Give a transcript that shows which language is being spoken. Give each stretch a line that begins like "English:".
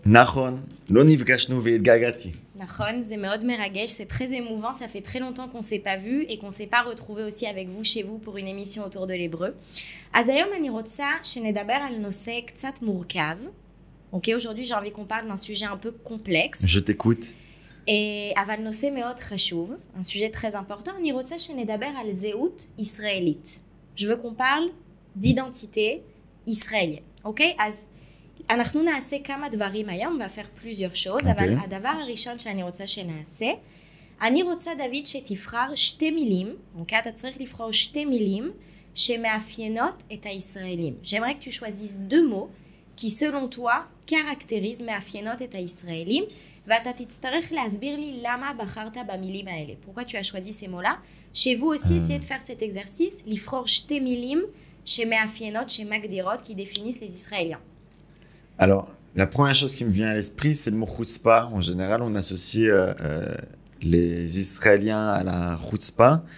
Hebrew: נכון, לא נפגשנו והתגעגעתי. נכון, זה מאוד מרגש,
French: c'est très émouvant, ça fait très longtemps qu'on s'est pas vu et qu'on s'est pas retrouvé aussi avec vous chez vous pour une émission autour de l'hébreu.
Hebrew: אז היום אני רוצה שנדבר על נושא קצת מורכב.
French: OK, aujourd'hui, j'ai envie qu'on parle d'un sujet un peu complexe. Je t'écoute.
Hebrew: Et אבל נושא מאוד חשוב,
French: un sujet très important,
Hebrew: אני רוצה שנדבר על זהות ישראלית.
French: Je veux qu'on parle d'identité israélienne.
Hebrew: OK, אז אנחנו נעשה כמה דברים היום, ואפר פלוזיור שעוז, אבל הדבר הראשון שאני רוצה שנעשה, אני רוצה, דוד, שתבחר שתי מילים, אוקיי? אתה צריך לבחור שתי מילים שמאפיינות את הישראלים.
French: J'aimerais que tu choisisses deux mots qui, selon toi, caractérisent,
Hebrew: מאפיינות את הישראלים, ואתה תצטרך להסביר לי למה בחרת במילים האלה.
French: Pourquoi tu as choisi ces mots-là? Chez vous aussi, essayez de faire cet exercice,
Hebrew: לבחור שתי מילים שמאפיינות, שמגדירות,
French: qui définissent les Israéliens. Alors, la première chose qui me vient à l'esprit, c'est le mot chutzpah. En général, on associe les Israéliens à la chutzpah,